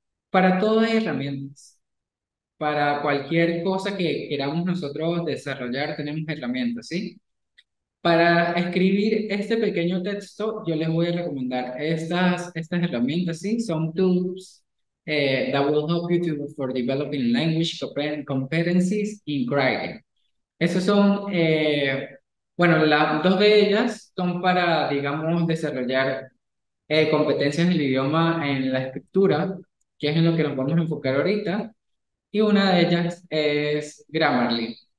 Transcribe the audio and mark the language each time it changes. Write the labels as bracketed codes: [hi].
[es] Para todo hay herramientas. Para cualquier cosa que queramos nosotros desarrollar, tenemos herramientas, ¿sí? Para escribir este pequeño texto, yo les voy a recomendar estas herramientas, ¿sí? Son [en] tools that will help you for developing language competencies in writing. [es] Esas son, bueno, dos de ellas son para, digamos, desarrollar competencias en el idioma en la escritura, que es en lo que nos vamos a enfocar ahorita, y una de ellas es Grammarly.